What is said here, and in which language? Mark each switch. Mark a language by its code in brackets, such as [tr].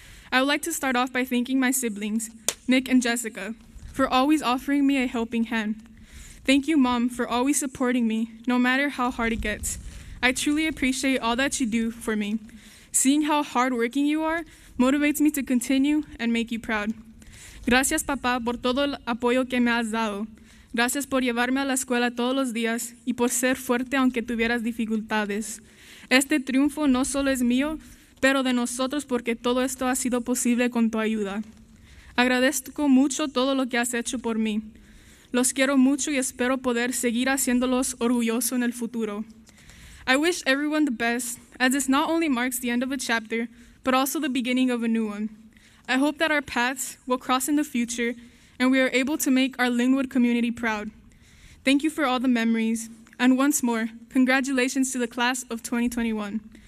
[en] I would like to start off by thanking my siblings, Nick and Jessica, for always offering me a helping hand. Thank you, Mom, for always supporting me, no matter how hard it gets. I truly appreciate all that you do for me. Seeing how hardworking you are motivates me to continue and make you proud. [es] Gracias, Papa, por todo el apoyo que me has dado. Gracias por llevarme a la escuela todos los días y por ser fuerte aunque tuvieras dificultades. Este triunfo no solo es mío, pero de nosotros porque todo esto ha sido posible con tu ayuda. Agradezco mucho todo lo que has hecho por mí. Los quiero mucho y espero poder seguir haciéndolos orgulloso en el futuro. [en] I wish everyone the best, as this not only marks the end of a chapter, but also the beginning of a new one. I hope that our paths will cross in the future and we are able to make our Lynwood community proud. Thank you for all the memories. And once more, congratulations to the class of 2021.